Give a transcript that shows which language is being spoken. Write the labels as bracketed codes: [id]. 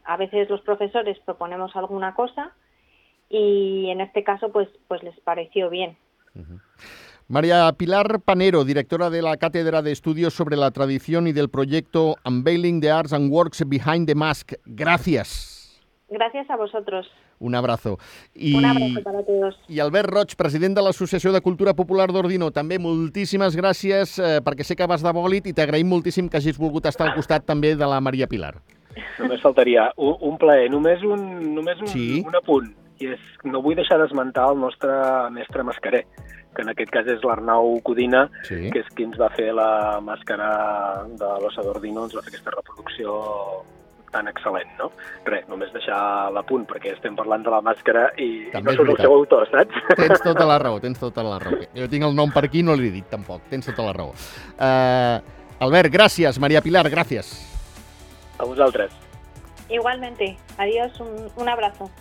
[es] A veces los profesores proponemos alguna cosa y en este caso pues les pareció bien. Uh-huh. María Pilar Panero, directora de la Cátedra de Estudios sobre la Tradición y del proyecto Unveiling the Arts and Works Behind the Mask. Gracias. Gracias a vosotros. Un abrazo. Un abrazo para todos. [ca] I Albert Roig, president de l'Associació de Cultura Popular d'Ordino, també moltíssimes gràcies, perquè sé que vas de bòlit i t'agraïm moltíssim que hagis volgut estar al costat també de la Maria Pilar. Només faltaria un plaer, un apunt, i és, no vull deixar d'esmentar el nostre mestre mascarer, que en aquest cas és l'Arnau Codina, sí, que és qui ens va fer la màscara de l'ossa d'Ordino, ens va fer aquesta reproducció tan excel·lent, no? Res, només deixar l'apunt, perquè estem parlant de la màscara i no són el seu autor, saps? Tens tota la raó, tens tota la raó. Jo tinc el nom per aquí, no l'he dit tampoc, tens tota la raó. Albert, gràcies. Maria Pilar, gràcies. A vosaltres. [es] Igualmente. Adiós, un abrazo.